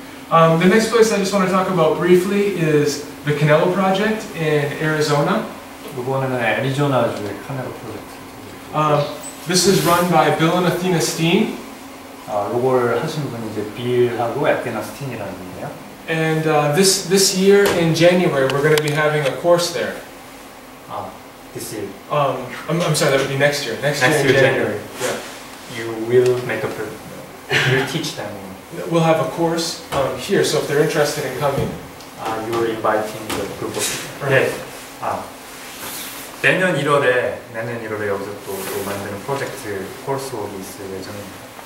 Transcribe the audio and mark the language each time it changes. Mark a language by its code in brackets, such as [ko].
[en] The next place I just want to talk about briefly is the Canelo project in Arizona. [ko] 이거는 애리조나주의 카네로 프로젝트. [en] This is run by Bill and Athena Steen. [ko] 이걸 하신 분이 이제 빌하고 애테나 스틴이라는 분이에요. [en] And this year in January we're going to be having a course there. This year. I'm sorry. That would be next year. Next year, January. Yeah. You will make a you teach them. We'll have a course here, so if they're interested in coming, you're inviting the group of people. Right. 네. [ko] 내년 1월에 여기서 또 만드는 프로젝트 코스웍이 있을 예정입니다.